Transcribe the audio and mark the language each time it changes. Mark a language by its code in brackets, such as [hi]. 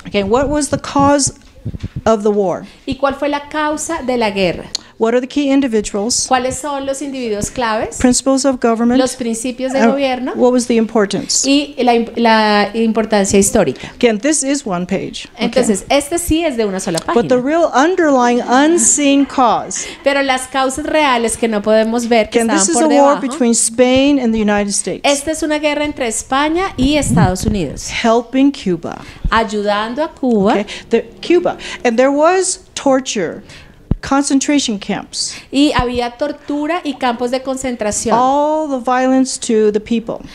[en] Okay, what was the cause of the war? [es] ¿Y cuál fue la causa de la guerra? [en] What are the key individuals? [es] ¿Cuáles son los individuos claves? [en] Principles of government. [es] Los principios de gobierno. [en] What was the importance? [es] Y la importancia histórica. [en] Again, this is one page. [es] Entonces, okay. Este sí es de una sola página. [en] But the real underlying unseen cause. [es] Pero las causas reales que no podemos ver que estaban por debajo. [en] This is a war between Spain and the United States. [es] Esta es una guerra entre España y Estados Unidos. [en] Helping Cuba. [es] Ayudando a Cuba. [en] Okay. Cuba. And there was torture. Concentration camps. [es] Y había tortura y campos de concentración. [en] All the violence to the people.